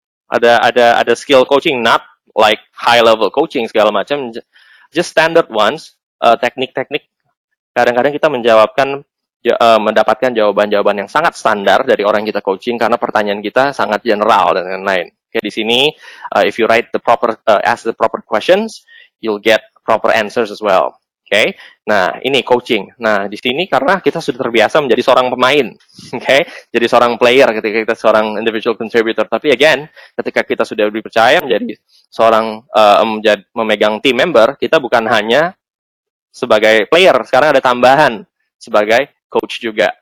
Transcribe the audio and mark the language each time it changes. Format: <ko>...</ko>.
<id>Ada skill coaching,</id> <en>not like high level coaching</en> <id>segala macam.</id> <en>Just standard ones.</en> <id>Teknik-teknik, kadang-kadang kita mendapatkan jawaban-jawaban yang sangat standar dari orang yang kita coaching karena pertanyaan kita sangat general dan lain-lain.</id> <en>Okay,</en> <id>di sini,</id> <en>if you write the proper, ask the proper questions, you'll get proper answers as well.</en> <id>Okay? Nah, ini coaching. Nah, di sini karena kita sudah terbiasa menjadi seorang pemain, okay? Jadi seorang player ketika kita seorang individual contributor. Tapi again, ketika kita sudah dipercaya menjadi seorang memegang team member, kita bukan hanya sebagai player, sekarang ada tambahan sebagai coach juga.</id>